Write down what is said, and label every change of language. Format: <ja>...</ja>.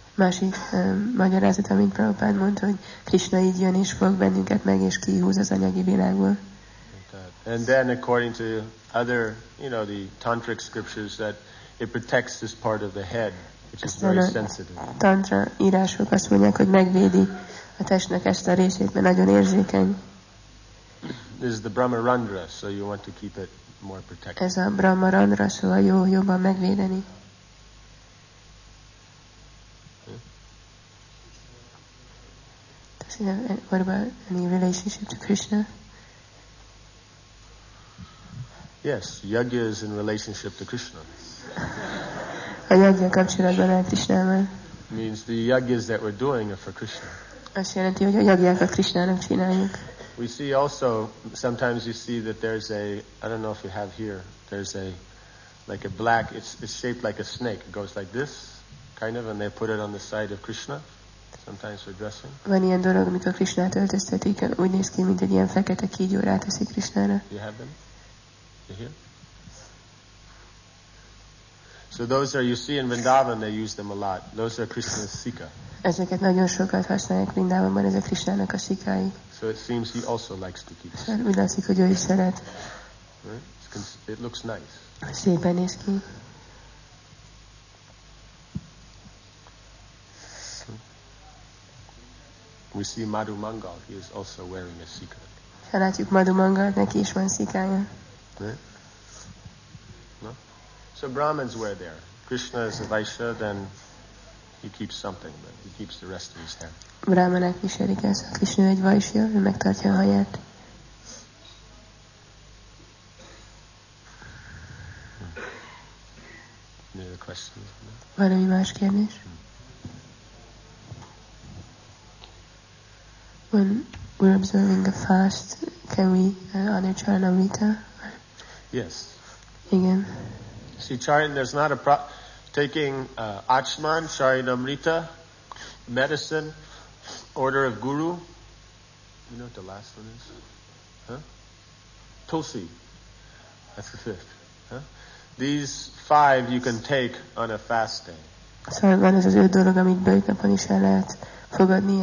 <hu>Másik magyarázat, amit Prabhupada mondta, hogy Krishna így jön és fog bennünket meg és kihúz az anyagi világból.</hu> <en>And then according to other, you know, the tantric scriptures that it protects this part of the head, which is very sensitive.</en> <hu>Tantra írások azt mondják, hogy megvédi a testnek ezt a részét, mert nagyon érzékeny.</hu> <en>This is the Brahmarandra, so you want to keep it more protected.</en> <hu>Ez a Brahmarandra, szóval jó, jobban megvédeni.</hu> <en>Does it have, what about any relationship to Krishna? Yes, yajna is in relationship to Krishna.</en> <hu>A yajna kapcsolatban áll Krishnával.</hu> <en>Means the yajnas that we're doing are for Krishna.</en> <hu>Azt jelenti, hogy a yajnákat Krishnának csináljuk.</hu> <en>We see also, sometimes you see that there's a, I don't know if you have here, there's a, like a black, it's shaped like a snake. It goes like this, kind of, and they put it on the side of Krishna, sometimes for dressing.</en> <hu>Van ilyen dolog, amikor Krishnát öltöztetik, úgy néz ki, mint egy ilyen fekete kígyó ráteszik Krishnára.</hu> <en>Do you have them? Here. So those are, you see in Vrindavan they use them a lot. Those are Krishna's sikha.</en> <hu>Ezeket nagyon sokat használják Vrindavanban, ez a Krishnának a sikhái.</hu> <en>So it seems he also likes to keep.</en> <hu>Úgy látszik, hogy ő is szeret.</hu> <en>Right? It looks nice.</en> <hu>Szépen néz ki.</hu> <en>We see Madhu Mangal, he is also wearing a sikha.</en> <hu>Látjuk Madhu Mangal, neki is van sikhája.</hu> <en>No? So Brahmins wear there. Krishna is a Vaishya, then he keeps something, but he keeps the rest of his hair.</en> <hu>Brahmanek viselik ezt. Krishna egy Vaishya, ő megtartja a haját.</hu> <en>Any other questions?</en> <hu>Valami más kérdés?</hu> <en>When we're observing a fast, can we honor Charanamrita? Yes. Again. See, Charan, there's not a problem. Taking Achman, Charanamrita, medicine, order of Guru. You know what the last one is? Huh? Tulsi. That's the fifth. Huh? These five you can take on a fast day.</en> <hu>So, van ez az öt dolog, amit bőjt napon is el lehet fogadni.</hu>